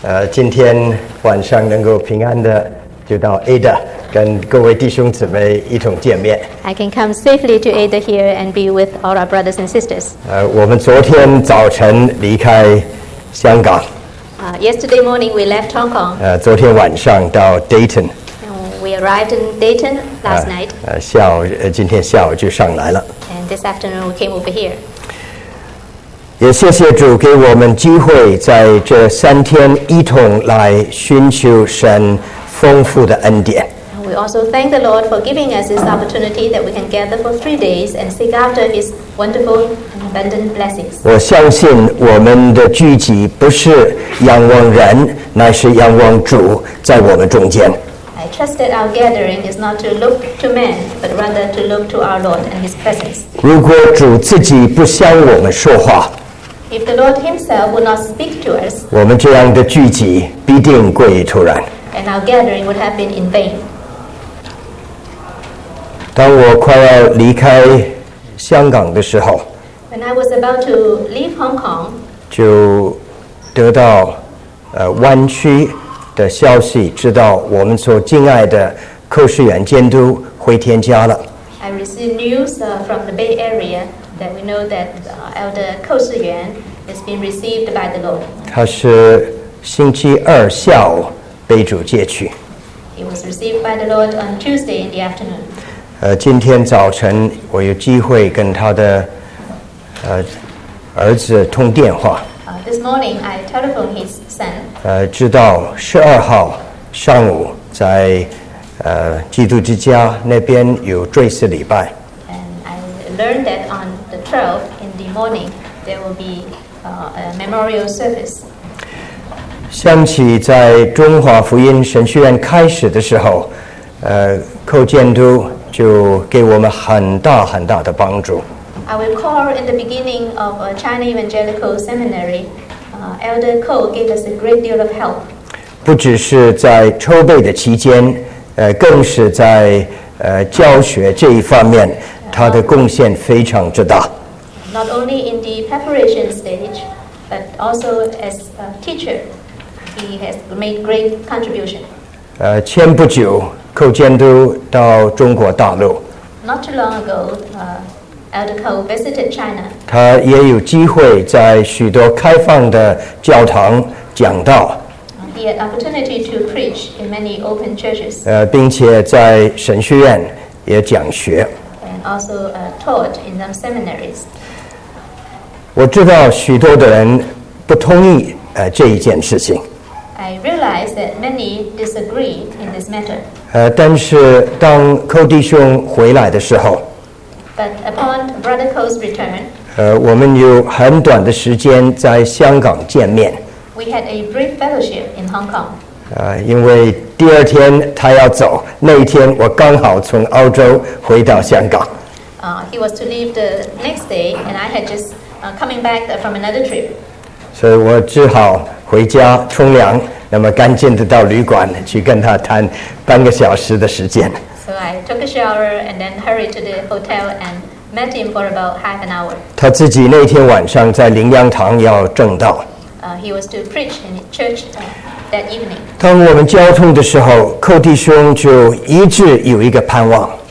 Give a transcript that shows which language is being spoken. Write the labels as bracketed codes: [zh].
[zh] 今天晚上能够平安的，就到 Ada 跟各位弟兄姊妹一同见面。 [en] I can come safely to Ada here and be with all our brothers and sisters. [zh] 我们昨天早晨离开香港。 [en] Yesterday morning we left Hong Kong. [zh] 昨天晚上到 Dayton. [en] We arrived in Dayton last night. [zh] 今天下午就上来了。 [en] And this afternoon we came over here. [zh] 也谢谢主给我们机会在这三天一同来寻求神丰富的恩典。 [en] We also thank the Lord for giving us this opportunity that we can gather for 3 days and seek after His wonderful and abundant blessings. [zh] 我相信我们的聚集不是仰望人，乃是仰望主在我们中间。 [en] I trust that our gathering is not to look to men, but rather to look to our Lord and His presence. [zh] 如果主自己不向我们说话， [en] If the Lord Himself would not speak to us, [zh] 我们这样的聚集必定过于突然。 [en] And our gathering would have been in vain. [zh] 当我快要离开香港的时候， [en] When I was about to leave Hong Kong, [zh] 就得到湾区的消息，知道我们所敬爱的科士远监督回天家了。 [en] I received news from the Bay Area. That we know that Elder Ko Shiyuan has been received by the Lord. [zh] 他是星期二下午被主接去。 [en] He was received by the Lord on Tuesday in the afternoon. [zh] 今天早晨我有机会跟他的儿子通电话。 [en] This morning I telephoned his son. [zh] 知道十二号上午在基督之家那边有追思礼拜。 [en] And I learned that on In the morning, there will be a memorial service. [zh] 想起在中华福音神学院开始的时候，寇监督就给我们很大很大的帮助。 [en] I recall in the beginning of a China Evangelical Seminary, Elder Ko gave us a great deal of help. [zh] 不只是在筹备的期间，更是在教学这一方面。他的贡献非常之大。 [en] Not only in the preparation stage, but also as a teacher, he has made great contribution. [zh] 前不久，寇监督到中国大陆。 [en] Not too long ago, Elder Ko visited China. [zh] 他也有机会在许多开放的教堂讲道。 [en] He had opportunity to preach in many open churches. [zh] 并且在神学院也讲学。 [en] Also taught in some seminaries. [zh] 我知道许多的人不同意这一件事情。 [en] I realize that many disagree in this matter. [zh] 但是当Ko弟兄回来的时候， [en] But upon Brother Ko's return, [zh] 我们有很短的时间在香港见面。 [en] We had a brief fellowship in Hong Kong. [zh] 因为第二天他要走，那一天我刚好从澳洲回到香港。 [en] He was to leave the next day, and I had just coming back from another trip. [zh] 所以我只好回家冲凉，那么赶紧的到旅馆去跟他谈半个小时的时间。 [en] So I took a shower and then hurried to the hotel and met him for about half an hour. [zh] 他自己那天晚上在灵粮堂要证道。 [en] He was to preach in church. That evening, [zh] 当我们交通的时候，寇弟兄就一直有一个盼望。